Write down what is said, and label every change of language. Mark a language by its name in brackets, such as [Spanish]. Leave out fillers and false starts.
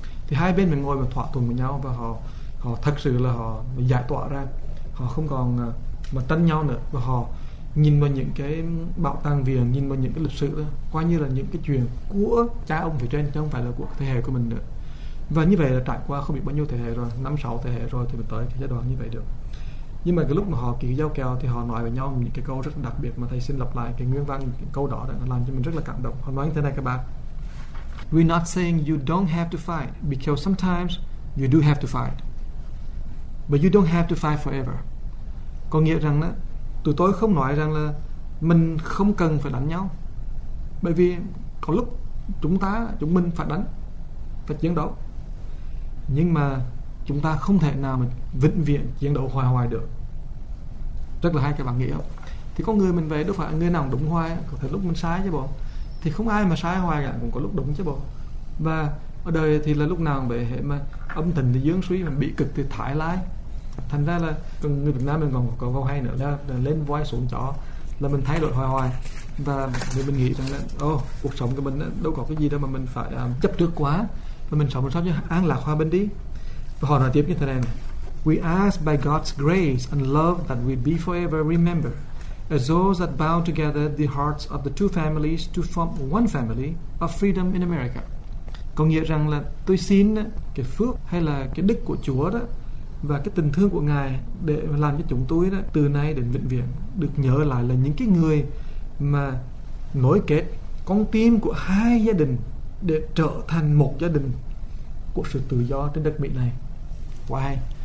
[Vietnamese] Thì hai bên mình ngồi và thỏa thuận với nhau, và họ thật sự là họ giải tỏa ra, họ không còn mà tranh nhau nữa, và họ nhìn vào những cái bảo tàng viện, nhìn vào những cái lịch sử đó, coi như là những cái chuyện của cha ông phía trên, chứ không phải là của thế hệ của mình nữa. Và như vậy là trải qua không biết bao nhiêu thế hệ rồi, 5-6 thế hệ rồi, thì mình tới cái giai đoạn như vậy được. Nhưng mà cái lúc mà họ ký giao kèo thì họ nói với nhau những cái câu rất đặc biệt mà thầy xin lặp lại cái nguyên văn cái câu đó đã làm cho mình rất là cảm động. Họ nói như thế này các bạn. [English] We're not saying you don't have to fight because sometimes you do have to fight. But you don't have to fight forever. [Vietnamese] Có nghĩa rằng đó, tụi tôi không nói rằng là mình không cần phải đánh nhau. Bởi vì có lúc chúng mình phải đánh, phải chiến đấu. Nhưng mà chúng ta không thể nào mà vĩnh viễn chiến đấu hoài hoài được. Rất là hay các bạn nghĩ không? Thì có người mình về đâu phải người nào đúng hoài, có thể lúc mình sai chứ bộ. Thì không ai mà sai hoài cả, cũng có lúc đúng chứ bộ. Và ở đời thì là lúc nào về hệ mà âm tình thì dương suy, mà bị cực thì thải lái. Thành ra là người Việt Nam mình còn có câu hay nữa là lên voi xuống chó, là mình thay đổi hoài hoài. Và mình nghĩ rằng là cuộc sống của mình đâu có cái gì đâu mà mình phải chấp trước quá, và mình sống sao cho an lạc hòa bình đi. Và họ nói tiếp như thế này: [English] We ask by God's grace and love that we be forever remembered as those that bound together the hearts of the two families to form one family of freedom in America. [Vietnamese] Có nghĩa rằng là tôi xin cái phước hay là cái đức của Chúa đó và cái tình thương của Ngài để làm cho chúng tôi đó từ nay đến vĩnh viễn được nhớ lại là những cái người mà nối kết con tim của hai gia đình để trở thành một gia đình của sự tự do trên đất Mỹ này. Quá hay.